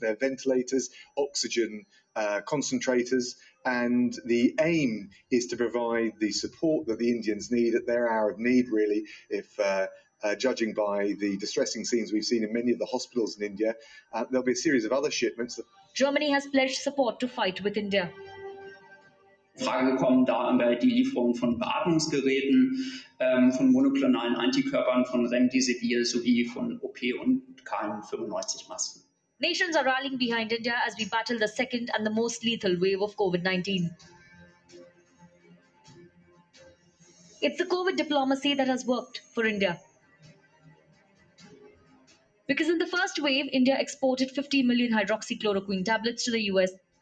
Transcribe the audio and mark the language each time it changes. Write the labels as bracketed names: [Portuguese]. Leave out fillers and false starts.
[English] They're ventilators, oxygen concentrators, and the aim is to provide the support that the Indians need at their hour of need, really, if judging by the distressing scenes we've seen in many of the hospitals in India, there'll be a series of other shipments. Germany has pledged support to fight with India. [German] Frage kommen da bei die Lieferung von Beatmungsgeräten, von monoklonalen Antikörpern, von Remdesivir sowie von OP und KN95 Masken. [English] Nations are rallying behind India as we battle the second and the most lethal wave of COVID-19. It's the COVID diplomacy that has worked for India. Because in the first wave, India exported 50 million hydroxychloroquine tablets to the US.